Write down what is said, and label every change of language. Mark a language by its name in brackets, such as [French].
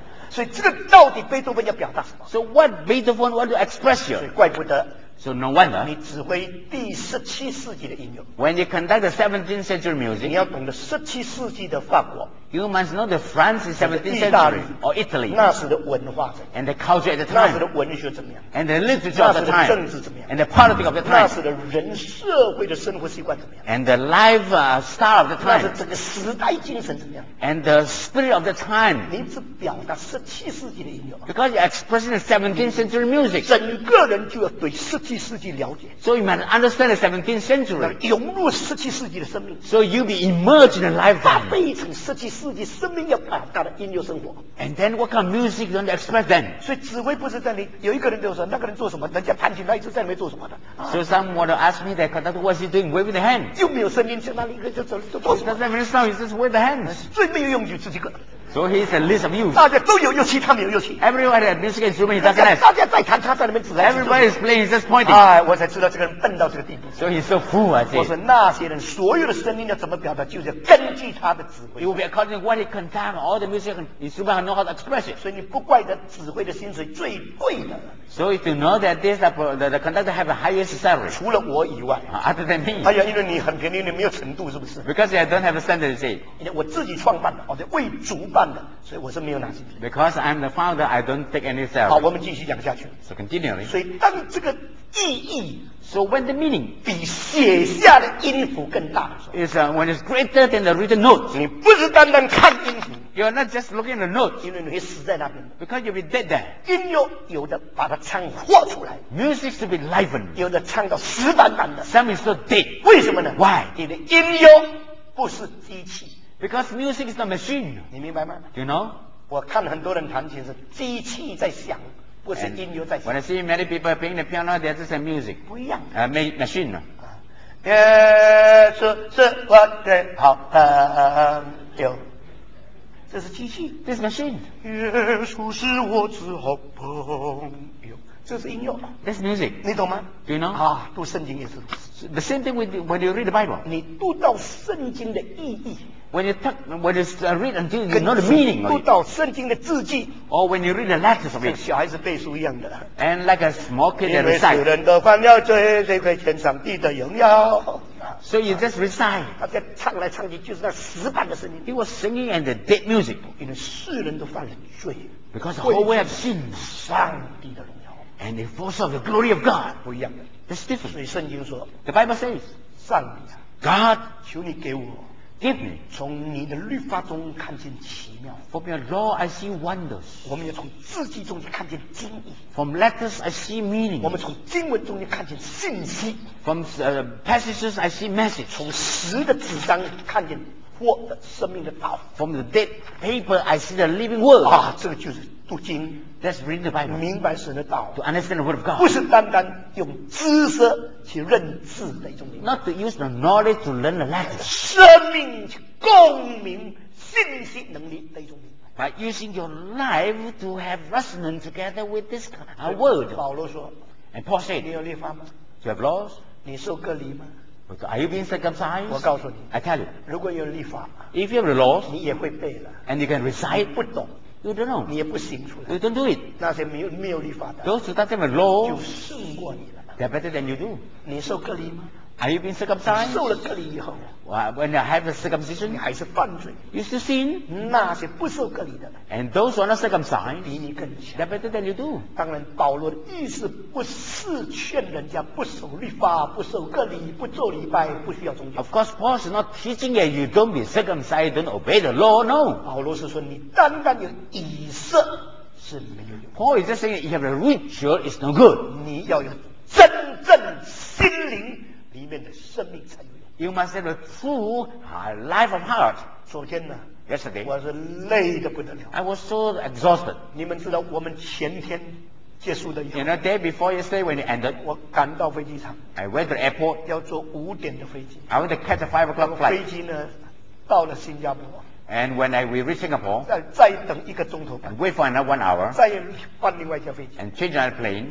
[Chinese] 所以这个到底贝多芬要表达什么 [English] ？So what Beethoven want to express here？ [Chinese] 所以怪不得。 [English] So no wonder. [Chinese] 你指挥第十七世纪的音乐。 [English] When you conduct the 17th century music, [Chinese] 你要懂得十七世纪的法国。 [English] You must know the France in 17th century or Italy. [Chinese] 那时的文化怎么 [English] 样 ？And the culture at the time. [Chinese] 那时的文学怎么样 [English] ？And the literature at the time. [Chinese] 那时的政治怎么样 [English] ？And the politics of the time. [Chinese] 那时的人社会的生活习惯怎么样 [English] ？And the life style of the time. [Chinese] 那时整个时代精神怎么样 [English] ？And the spirit of the time. [Chinese] 你只表达十七世纪的音乐。 [English] Because you're expressing the 17th century music. [Chinese] 整个人就要对十七世纪了解。 [English] So you must understand the 17th century. [Chinese] 融入十七世纪的生命。 [English] So you be immersed in the life. [Chinese] 搭配成十七世纪。自己生命要表达的音乐生活 [English] and then what kind of music you want to express then [Chinese] 所以指挥不是在你有一个人就说那个人做什么人家弹琴他一直在那边做什么的、 [English] so someone want to ask me that conductor what is he doing waving the hand [Chinese] 又没有声音在那里就做什么 [English] doesn't have any sound he's just waving the hand [Chinese] 最没有用就是这个 [English] so he's a list of you [Chinese] 大家都有乐器他没有乐器 [English] everyone had a music instrument he doesn't have [Chinese] 大家在弹他在那边指挥 [English] everybody is playing he's just pointing [Chinese] 我才知道这个人笨到这个地步 [English] so he's so fool I say [Chinese] 我说那些人所有的声音要怎么表达就是根据他的指挥 [English] it will be accordingWhat he contains, all the music, you should know how to express it. [Chinese] 所以你不怪的指挥的薪水最贵的。 [English] So if you know that this the conductor have the highest salary. [Chinese] 除了我以外。 [English] Other than me. [Chinese] 哎呀，因为你很便宜，你没有程度，是不是 [English] ？Because I don't have a standard, you see. [Chinese] 因为我自己创办的，我是为主办的，所以我是没有拿薪水。 [English] Because I'm the founder, I don't take any salary. [Chinese] 好，我们继续讲下去。 [English] So continually. [Chinese] 所以当这个意义。 [English] So when the meaning [Chinese] 比写下的音符更大的时候 [English] is when it's greater than the written notes [Chinese] 你不是单单看音符 [English] You are not just looking at the notes. [Chinese] 因为你会死在那边。 [English] Because you'll be dead there. [Chinese] 音乐有的把它唱活出来。 [English] Music should be livened. [Chinese] 有的唱到死板板的。 [English] Some is so dead. [Chinese] 为什么呢 [English] ？Why? [Chinese] 因为音乐不是机器。 [English] Because music is not machine. [Chinese] 你明白吗 [English] ？Do you know? [Chinese] 我看很多人弹琴是机器在响。不是音乐在响。 [English] When I see many people playing the piano, they're just a music. [Chinese] 不一样。 [English] Machine. [Chinese] 耶稣是我的好朋友。这是机器。 [English] This machine. [Chinese] 耶稣是我的好朋友。这是音乐。 [English] This music. [Chinese] 你懂吗 [English] ？Do you know? [Chinese] 啊，读圣经也是。 [English] The same thing with when you read the Bible. [Chinese] 你读到圣经的意义。 [English] When you read until you know the meaning of it. [Chinese] 读到圣经的字句。 [English] Or when you read the letters of it. [Chinese] 小孩子背书一样的。 [English] And like a small kid that recites. [Chinese] 因为世人都犯了罪，谁亏欠上帝的荣耀？ [English] So you just recite. [Chinese] 他在唱来唱去就是那死板的声音。 [English] He was singing and the dead music. [Chinese] 因为世人都犯了罪。 [English] Because the whole world have sinned. [Chinese] 上帝的荣耀。 [English] And the force of the glory of God. [Chinese] 不一样的。 [English] That's different. [Chinese] 所以圣经说。 [English] The Bible says. [Chinese] 上帝啊。 [English] God. [Chinese] 求你给我。从你的律法中看见奇妙。 [English] From your law I see wonders. [Chinese] 我们要从字句中去看见经义。 [English] From letters I see meaning. [Chinese] 我们从经文中去看见信息。 [English] From passages I see message. [Chinese] 从死的纸张看见活的生命的道。 [English] From the dead paper I see the living word. [Chinese] 啊，这个就是读经。 [English] That's reading the Bible. [Chinese] 明白神的道。 [English] To understand the word of God. [Chinese] 不是单单用知识去认字的一种。 [English] Not to use the knowledge to learn the letters. [Chinese] 生命去共鸣信息能力的一种。 [English] By using your life to have resonance together with this word. [Chinese] 保罗说。 [English] And Paul said. [Chinese] 你有律法吗 [English] ？You have laws. [Chinese] 你受割礼吗 [English] ？But are you being circumcised? [Chinese] 我告诉你。 [English] I tell you. [Chinese] 如果有律法。 [English] If you have the laws. [Chinese] 你也会背了。 [English] And you can recite. [Chinese] 不懂。 [English] You don't know. [Chinese] 你也不行出来。 [English] You don't do it. [Chinese] 那些没有立法的。 [English] Those who don't have a law. [Chinese] 就胜过你了。 [English] They're better than you do. [Chinese] 你受割礼吗 [English] ？Are you being circumcised? [Chinese] 受了割礼以后。 [English] When I have a circumcision. [Chinese] 你还是犯罪。 [English] You still sin. [Chinese] 那些不受割礼的。 [English] And those who are not circumcised. [Chinese] 比你更强。 [English] They're better than you do. [Chinese] 当然，保罗的意思不是劝人家不守律法、不受割礼、不做礼拜、不需要宗教。 [English] Of course, Paul is not teaching that you don't be circumcised, don't obey the law. No. [Chinese] 保罗是说你单单有以色是没有用。 [English] Paul is just saying you have a ritual is no good. [Chinese] 你要有真正心灵里面的生命才有用。 [English] You must have a true life of heart. [Chinese] 昨天呢？ [English] Yesterday, [Chinese] 我是累得不得了。 [English] I was so exhausted. [Chinese] 你们知道我们前天结束的。 [English] You know, day before yesterday when it ended. [Chinese] 我赶到飞机场。 [English] I went to the airport. [Chinese] 要坐五点的飞机。 [English] I want to catch a 5 o'clock flight. [Chinese] 飞机呢，到了新加坡。 [English] And when we reach Singapore. [Chinese] 再等一个钟头半。 [English] And wait for another 1 hour. [Chinese] 再换另外一架飞机。 [English] And change another plane.